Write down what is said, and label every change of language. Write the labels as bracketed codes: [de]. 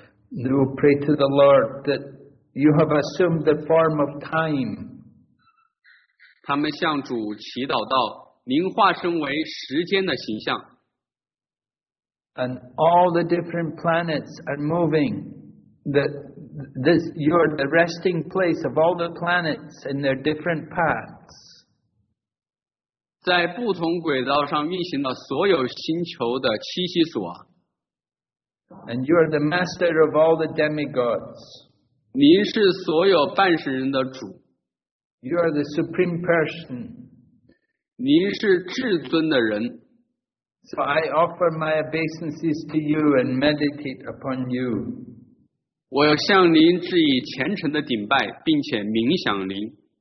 [en] They will pray to the Lord that you have assumed the form of time. [zh] 他们向主祈祷道，您化身为时间的形象。 [en] And all the different planets are moving. You are the resting place of all the planets in their different paths. [zh] 在不同轨道上运行的所有星球的栖息所。 [en] And you are the master of all the demigods. [zh] 您是所有半世人的主。 [en] You are the supreme person. [zh] 您是至尊的人。 [en] So I offer my obeisances to you and meditate upon you. [zh] 我要向您致以虔诚的顶拜，并且冥想您。